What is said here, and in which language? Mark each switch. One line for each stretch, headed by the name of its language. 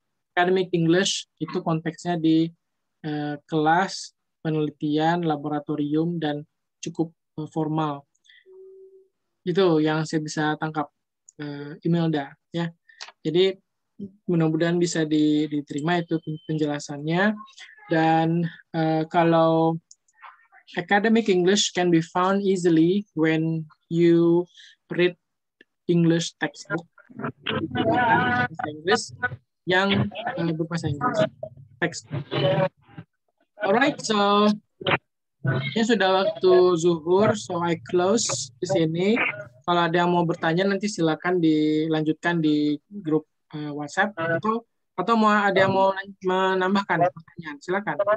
Indonesian: Academic English itu konteksnya di kelas, penelitian, laboratorium, dan cukup formal. Itu yang saya bisa tangkap Imelda ya. Jadi mudah-mudahan bisa diterima itu penjelasannya. Dan kalau
English: Academic English can be found easily when you read English textbook.
Indonesian: Bahasa Inggris yang berbahasa Inggris. Textbook. Alright, so ini sudah waktu zuhur, so
English: I close
Indonesian: di sini. Kalau ada yang mau bertanya nanti silakan dilanjutkan di grup WhatsApp atau mau ada yang mau menambahkan pertanyaan, silakan.